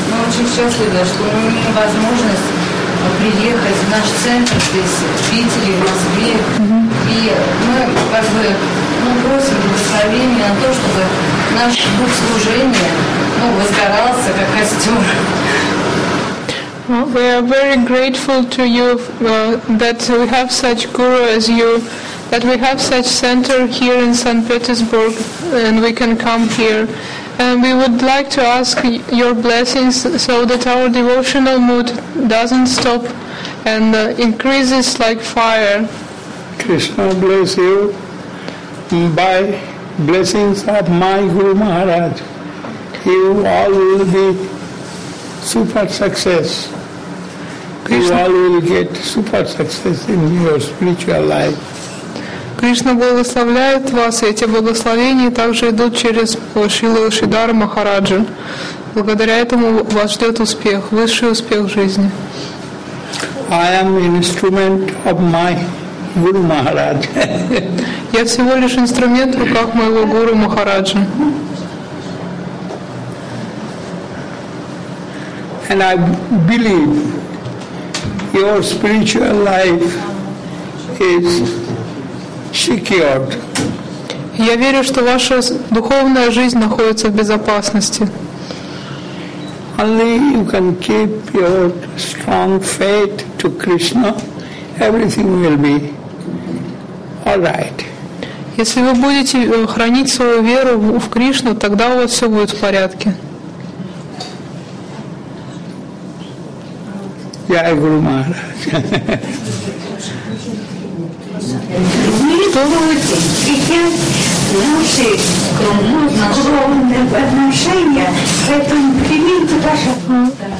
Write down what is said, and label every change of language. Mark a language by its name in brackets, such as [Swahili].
[Russian] Мы очень счастливы, что мы имеем возможность приехать в наш центр здесь, в Питере, в Москве. Mm-hmm. И мы как бы просим благословения на то, чтобы наш дух служения возгорался, как костер. [English] We are very grateful to you that we have such guru as you, that we have such center here in St. Petersburg, and we can come here. And we would like to ask your blessings so that our devotional mood doesn't stop and increases like fire. Krishna bless you by blessings of my Guru Maharaj. You all will be super success. Krishna. You all will get super success in your spiritual life. [Russian] Krishna благословляет вас, эти благословения также идут через Шрилу Шридхара Махараджа. Благодаря этому вас ждет успех, высший успех в жизни. [English] I am an instrument of my Guru Maharaj. [Russian] Я всего лишь инструмент в руках моего Гуру Махараджа. [English] And I believe your spiritual life is secured. [Russian] Я верю, что ваша духовная жизнь находится в безопасности. [English] Only you can keep your strong faith to Krishna, everything will be all right. [Russian] Если вы будете хранить свою веру в Кришну, тогда у вас все будет в порядке. [English] Jai Guru Maharaj. [Russian] Мы тоже хотим наши скромные отношения, поэтому примите ваше фото.